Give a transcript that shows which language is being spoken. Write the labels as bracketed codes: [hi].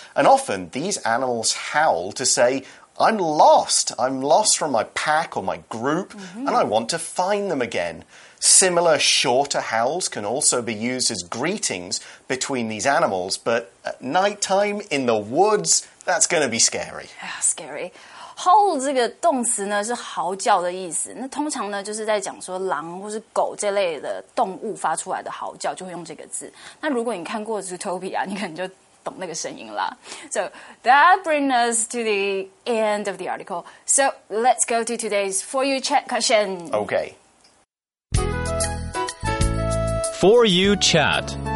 [en] And often, these animals howl to say, I'm lost. I'm lost from my pack or my group, and I want to find them again. Similar shorter howls can also be used as greetings between these animals, but at nighttime in the woods, that's going to be scary. Yeah, scary. [zh] Howl 这个动词呢是嚎叫的意思，那通常呢就是在讲说狼或是狗这类的动物发出来的嚎叫，就会用这个字。那如果你看过 Zootopia， 你可能就懂那个声音啦。 [en] So that brings us to the end of the article. So let's go to today's For You Chat question. Okay. For You Chat.